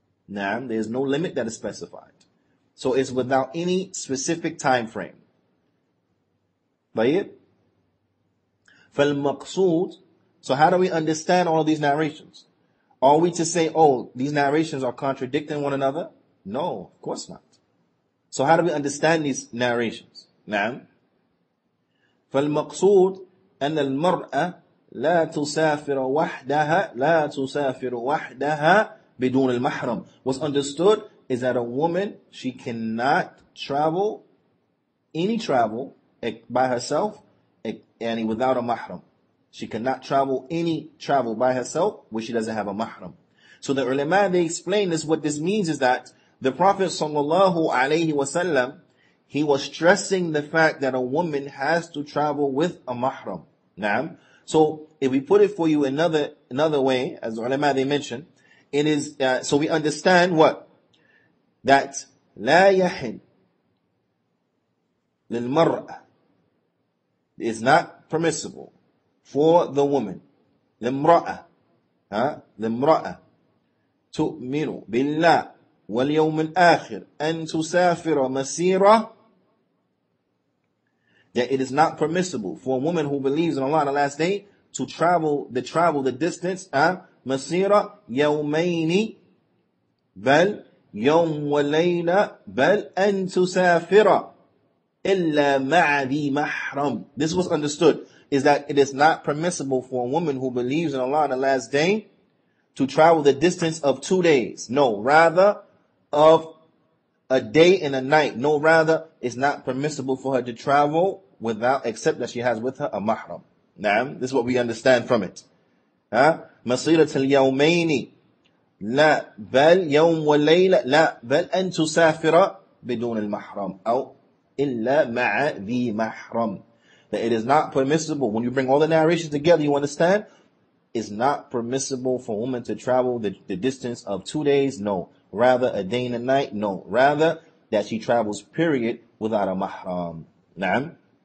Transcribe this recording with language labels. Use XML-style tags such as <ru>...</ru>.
<en>Na'am, there is no limit that is specified. So it's without any specific time frame. Tayyib?</en> <ar>فالمقصود,</ar> <en>so how do we understand all of these narrations? Are we to say, oh, these narrations are contradicting one another? No, of course not. So how do we understand these narrations? Na'am?</en> <ar>فالمقصود أن المرأة لا تسافر وحدها لا تسافر وحدها بدون المحرم.</ar> <en>What's understood is that a woman, she cannot travel, any travel, by herself, and without a mahram. She cannot travel any travel by herself where she doesn't have a mahram. So the ulama, they explain this. What this means is that the Prophet sallallahu alayhi wasallam, he was stressing the fact that a woman has to travel with a mahram. Naam. So if we put it for you another way, as the ulama they mentioned, it is so we understand what?</en> <ar>That لا يحل للمرأة,</ar> <en>is not permissible for the woman,</en> <ar>لمرأة, لمرأة, تؤمن بالله واليوم الآخر أن تسافر مسيرة.</ar> <en>That it is not permissible for a woman who believes in Allah on the last day to travel the distance,</en> <ar>مسيرة يومين بل يوم وليلة بل أن تسافر إلا مع ذي محرم.</ar> <en>This was understood, is that it is not permissible for a woman who believes in Allah on the last day to travel the distance of 2 days. No, rather of a day and a night. No, rather, it's not permissible for her to travel without, except that she has with her a mahram. Naam, this is what we understand from it. Huh?</en> <ar>مصيرت اليومين لا بل يوم وليلة لا بل أن تسافر بدون المحرم أو إلا مع ذي محرم.</ar> <en>That it is not permissible. When you bring all the narrations together, you understand? It's not permissible for a woman to travel the distance of 2 days. No. Rather, a day and a night. No. Rather, that she travels, period, without a mahram. Naam.</en>